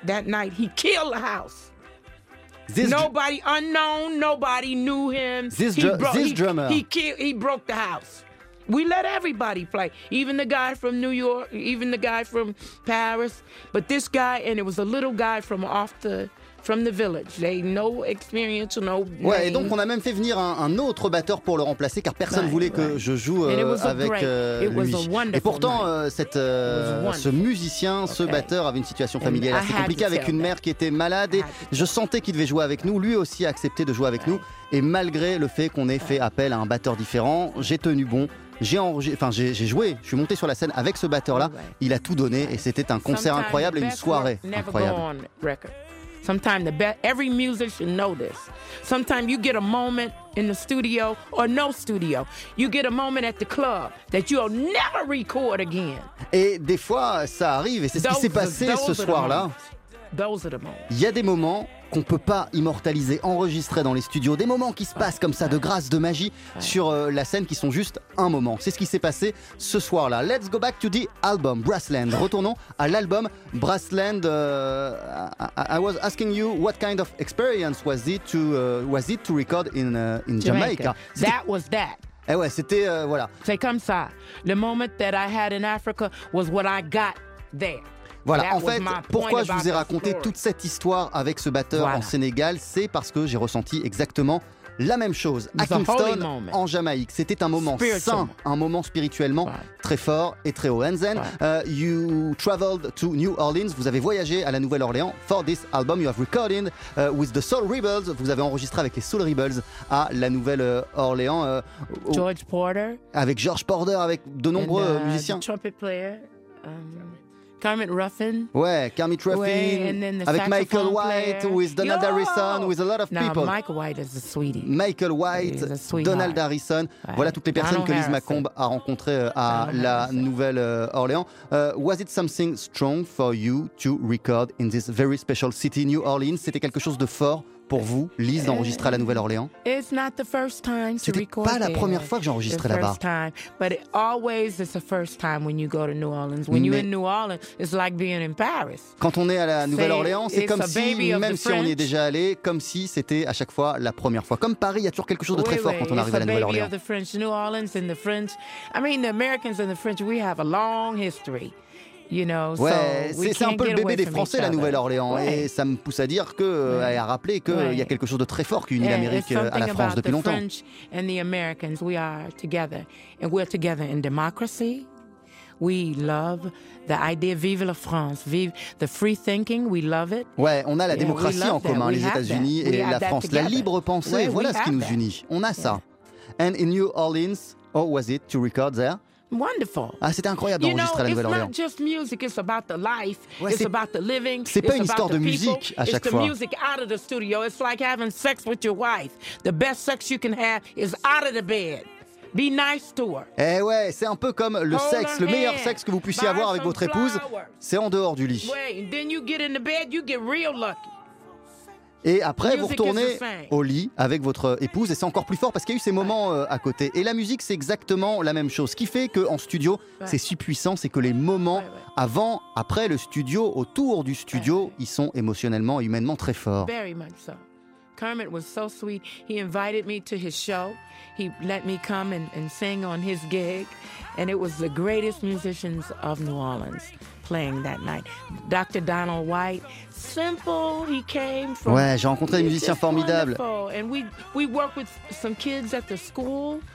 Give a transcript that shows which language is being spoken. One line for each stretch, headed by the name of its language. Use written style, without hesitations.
English: That night, he killed the house. Nobody knew him. He broke the house. We let everybody play, even the guy from New York, even the guy from Paris. But this guy, and it was a little guy from off the... from the village. They no experience, no name.
French: Ouais, et donc on a même fait venir un autre batteur pour le remplacer car personne ne voulait que je joue avec lui. Et pourtant, ce musicien, ce batteur avait une situation familiale assez compliquée avec une mère qui était malade et je sentais qu'il devait jouer avec nous. Lui aussi a accepté de jouer avec nous et malgré le fait qu'on ait fait appel à un batteur différent, j'ai tenu bon. J'ai joué, je suis monté sur la scène avec ce batteur-là. Il a tout donné et c'était un concert incroyable et une soirée incroyable.
English: Sometimes every musician knows this. Sometimes you get a moment in the studio or no studio. You get a moment at the club that you'll never record again.
French: Et des fois, ça arrive, et c'est ce qui s'est passé ce soir-là.
English: Those are the moments.
French: Il y a des moments qu'on ne peut pas immortaliser, enregistrer dans les studios, des moments qui se passent comme ça, de grâce, de magie, sur la scène, qui sont juste un moment. C'est ce qui s'est passé ce soir-là.
English: Let's go back to the album, Brassland.
French: Retournons à l'album Brassland.
English: I was asking you what kind of experience was it to record in Jamaica. That was that.
French: Eh ouais, c'était, voilà. C'est comme ça.
English: The moment that I had in Africa was what I got there.
French: Voilà, en fait, pourquoi je vous ai raconté toute cette histoire avec ce batteur en Sénégal, c'est parce que j'ai ressenti exactement la même chose à Kingston, en Jamaïque. C'était un moment saint, un moment spirituellement très fort et très haut.
English: And then, you traveled to New Orleans,
French: vous avez voyagé à la Nouvelle-Orléans.
English: For this album, you have recorded with the Soul Rebels,
French: vous avez enregistré avec les Soul Rebels à la Nouvelle-Orléans.
English: George Porter.
French: Avec George Porter, avec de nombreux musiciens.
English: The trumpet player. Kermit Ruffin.
French: Ouais, Kermit Ruffin. Avec
English: Michael White, with Donald Harrison, with a lot of people. Michael White is a sweetie. Michael White, Donald Harrison. Right.
French: Voilà toutes les personnes que Liz Macomb a rencontrées à la Nouvelle-Orléans.
English: Was it something strong for you to record in this very special city, New Orleans?
French: C'était quelque chose de fort pour vous, Liz, d'enregistrer à la Nouvelle-Orléans?
English: It's not the first time to record.
French: C'était pas la première fois que j'enregistrais là-bas.
English: But it always is the first time when you go to New Orleans. When you're in New Orleans, it's like being in Paris.
French: Quand on est à la Nouvelle-Orléans, c'est comme si, même si on y est déjà allé, comme si c'était à chaque fois la première fois. Comme Paris, il y a toujours quelque chose de très fort quand on arrive à la Nouvelle-Orléans.
English: It's the baby of the French. New Orleans and the French. I mean, the Americans and the French, we have a long history. You know,
French: ouais,
English: so
French: c'est un peu le bébé des Français, la Nouvelle-Orléans. Ouais. Et ça me pousse à dire que, ouais. À rappeler qu'il y a quelque chose de très fort qui unit l'Amérique à la France depuis longtemps.
English: It's something about the French and the Americans. We are together. And we're together in democracy. We love the idea,
French: vive la France, vive
English: the free thinking, we love it.
French: Ouais, on a la démocratie en commun, les États-Unis et la France. La libre pensée, voilà ce qui nous unit. On a ça.
English: And in New Orleans, how was it to record there? Wonderful.
French: Ah, c'était incroyable d'enregistrer à la Nouvelle-Orléans.
English: It's not just music, it's about the life, it's about the living.
French: C'est pas une histoire de musique à chaque fois.
English: It's the music out of the studio. It's like having sex with your wife. The best sex you can have is out of the bed. Be nice to her.
French: Eh ouais, c'est un peu comme le sexe, le meilleur sexe que vous puissiez avoir avec votre épouse, c'est en dehors du lit.
English: Wait, then you get in the bed, you get real lucky.
French: Et après, vous retournez au lit avec votre épouse et c'est encore plus fort parce qu'il y a eu ces moments à côté. Et la musique, c'est exactement la même chose. Ce qui fait qu'en studio, c'est si puissant, c'est que les moments avant, après le studio, autour du studio, ils sont émotionnellement et humainement très forts.
English: Very much so. Kermit was so sweet. He invited me to his show. He let me come and sing on his gig. And it was the greatest musicians of New Orleans playing that night. Dr. Donald White, simple, he came from...
French: Ouais, j'ai rencontré des musiciens formidables.
English: And we worked with some kids at the school.